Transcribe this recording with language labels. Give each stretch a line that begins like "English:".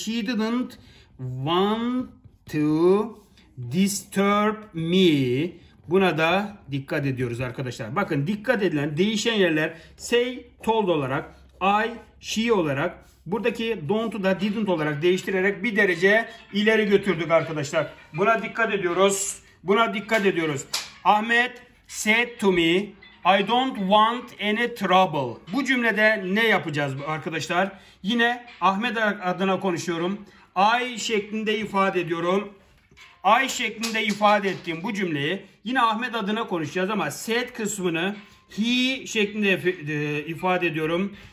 English: She didn't want to disturb me.
Turkish: Buna da dikkat ediyoruz arkadaşlar. Bakın dikkat edilen değişen yerler say told olarak I she olarak buradaki don't'u da didn't olarak değiştirerek bir derece ileri götürdük arkadaşlar. Buna dikkat ediyoruz. Buna dikkat ediyoruz.
English: Ahmet said to me I don't want any trouble.
Turkish: Bu cümlede ne yapacağız arkadaşlar? Yine Ahmet adına konuşuyorum. I şeklinde ifade ediyorum. I şeklinde ifade ettiğim bu cümleyi yine Ahmet adına konuşacağız ama said kısmını he şeklinde ifade ediyorum.